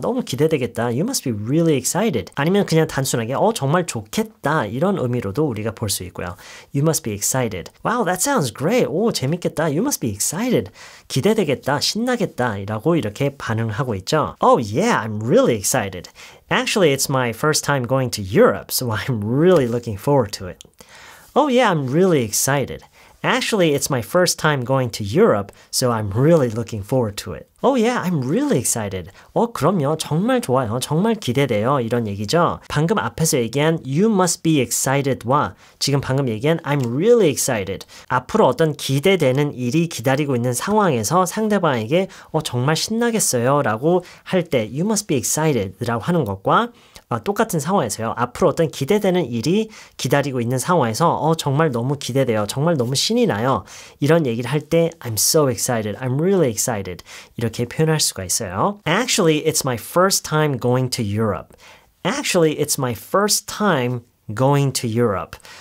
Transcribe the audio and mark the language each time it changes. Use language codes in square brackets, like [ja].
[ko] 너무 기대되겠다. [en] You must be really excited. [ko] 아니면 그냥 단순하게 정말 좋겠다 이런 의미로도 우리가 볼 수 있고요. [en] You must be excited. Wow, that sounds great. [ko] 재밌겠다. [en] You must be excited. [ko] 기대되겠다. 신나겠다. 라고 이렇게 반응하고 있죠. [en] Oh yeah, I'm really excited. Actually, it's my first time going to Europe, so I'm really looking forward to it. Oh yeah, I'm really excited. Actually, it's my first time going to Europe, so I'm really looking forward to it. Oh yeah, I'm really excited. [ko] 그럼요. 정말 좋아요. 정말 기대돼요. 이런 얘기죠. 방금 앞에서 얘기한 [en] you must be excited [ko] 와 지금 방금 얘기한 [en] I'm really excited. [ko] 앞으로 어떤 기대되는 일이 기다리고 있는 상황에서 상대방에게 정말 신나겠어요 라고 할 때 [en] you must be excited [ko] 라고 하는 것과 똑같은 상황에서요. 앞으로 어떤 기대되는 일이 기다리고 있는 상황에서 정말 너무 기대돼요. 정말 너무 신이 나요. 이런 얘기를 할 때 [en] I'm so excited. I'm really excited. [ko] 이렇게 표현할 수가 있어요. [en] Actually, it's my first time going to Europe. Actually, it's my first time going to Europe.